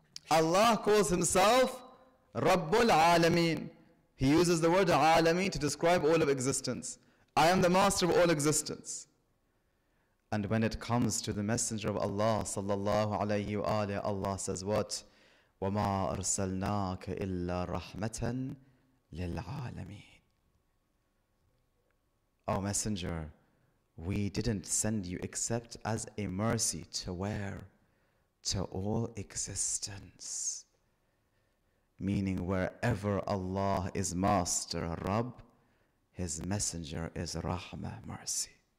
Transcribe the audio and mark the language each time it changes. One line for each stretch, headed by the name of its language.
English: Allah calls Himself Rabbul Alameen. He uses the word Alameen to describe all of existence. I am the Master of all existence. And when it comes to the Messenger of Allah sallallahu alayhi wa alayhi, Allah says what?
Arabic: وَمَا أَرْسَلْنَاكَ إِلَّا رَحْمَةً لِلْعَالَمِينَ.
English: O Messenger, We didn't send you except as a mercy to wear to all existence. Meaning wherever Allah is master, Rabb, His messenger is Rahmah, mercy.